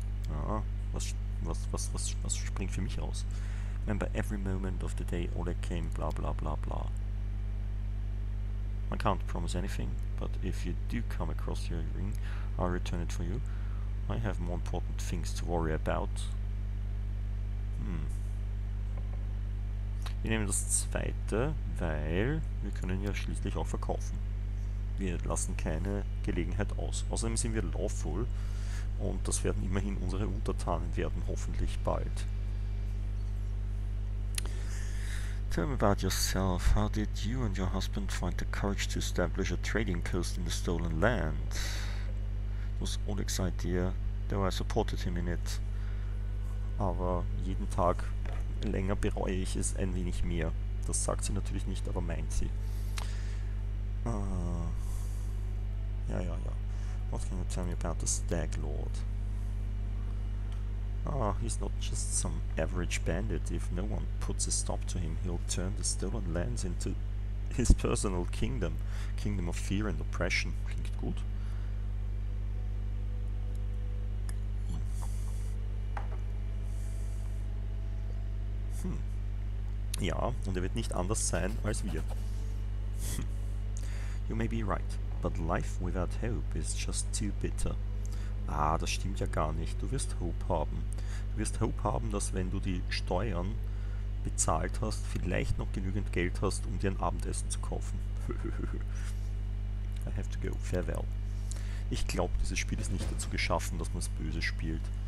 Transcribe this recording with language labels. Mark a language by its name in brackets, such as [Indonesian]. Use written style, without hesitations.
[German] Ah, was springt für mich aus? [English] Remember every moment of the day Oleg came, blah blah blah blah. I can't promise anything, but if you do come across your ring, I'll return it for you. I have more important things to worry about. [German] Wir nehmen das zweite, weil wir können ja schließlich auch verkaufen. Wir lassen keine Gelegenheit aus. Außerdem sind wir lawful und das werden immerhin unsere Untertanen werden, hoffentlich bald. [English] Tell me about yourself. How did you and your husband find the courage to establish a trading post in the stolen land? It was Oleg's idea, though I supported him in it. [German] Aber jeden Tag länger bereue ich es ein wenig mehr. Das sagt sie natürlich nicht, aber meint sie. Ja, ja, ja. [English] What can you tell me about the Stag Lord? Ah, he's not just some average bandit. If no one puts a stop to him, he'll turn the stolen lands into his personal kingdom. Kingdom of fear and oppression. [German] Klingt gut. Ja, und wird nicht anders sein als wir. [English] You may be right, but life without hope is just too bitter. [German] Ah, das stimmt ja gar nicht. Du wirst Hope haben. Du wirst Hope haben, dass wenn du die Steuern bezahlt hast, vielleicht noch genügend Geld hast, um dir ein Abendessen zu kaufen. [English] I have to go. Farewell. [German] Ich glaube, dieses Spiel ist nicht dazu geschaffen, dass man es böse spielt.